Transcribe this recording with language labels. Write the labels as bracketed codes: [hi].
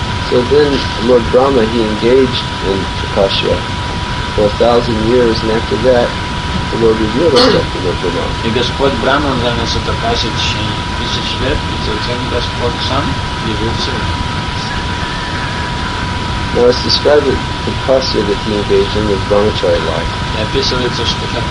[en] So then Lord Brahma, he engaged in tapasya for 1,000 years, and after that, the Lord revealed himself to Lord Brahma. [ru] И Господь Брама занялся тапасей в течение тысяч лет, и затем Господь сам явился. [en] Now it's described the tapasya that he engaged in with brahmachari life.